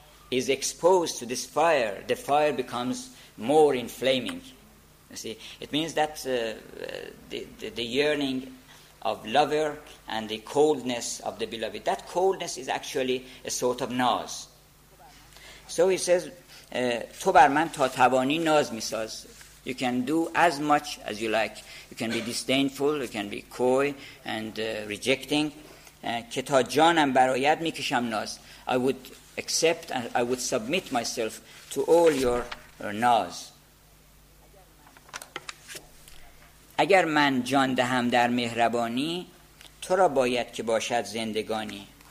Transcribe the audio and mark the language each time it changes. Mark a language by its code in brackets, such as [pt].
[en] is exposed to this fire, the fire becomes more inflaming. You see, it means that the yearning of lover and the coldness of the beloved, that coldness is actually a sort of naz. So he says, [fa] تو بر من تا توانی ناز می ساز. [en] You can do as much as you like. You can be disdainful, you can be coy and rejecting. [fa] که تا جانم برایت می کشم ناز. [en] I would accept and I would submit myself to all your ناز. [fa] اگر من جان دهم در مهربانی تو را باید که باشد زندگانی.